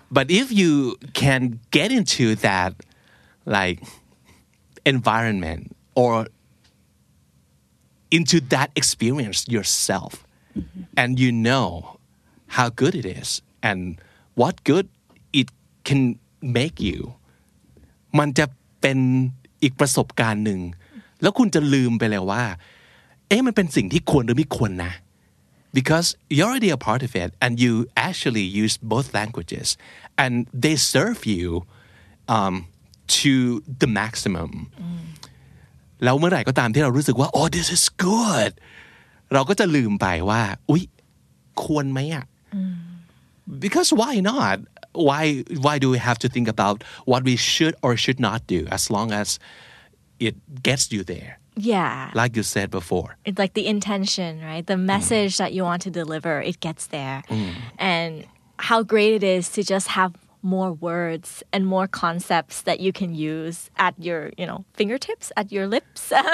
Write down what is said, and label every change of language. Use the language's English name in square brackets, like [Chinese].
[English] but if you can get into that like environment or into that experience yourself mm-hmm. and you know how good it is and what good it can make you [Thai] มันจะเป็นอีกประสบการณ์หนึ่งแล้วคุณจะลืมไปเลยว่าเอ๊ะมันเป็นสิ่งที่ควรหรือไม่ควรนะ [English] Because you're already a part of it and you actually use both languages and they serve you to the maximum. Mm. [Thai] แล้วเมื่อไหร่ก็ตามที่เรารู้สึกว่า [English] oh, this is good. [Thai] เราก็จะลืมไปว่าอุ๊ยควรไหมอ่ะ [English] Because why not? Why do we have to think about what we should or should not do as long as it gets you there? Yeah. Like you said before. It's like the intention, right? The message that you want to deliver, it gets there. And how great it is to just have more words and more concepts that you can use at your, you know, fingertips, at your lips.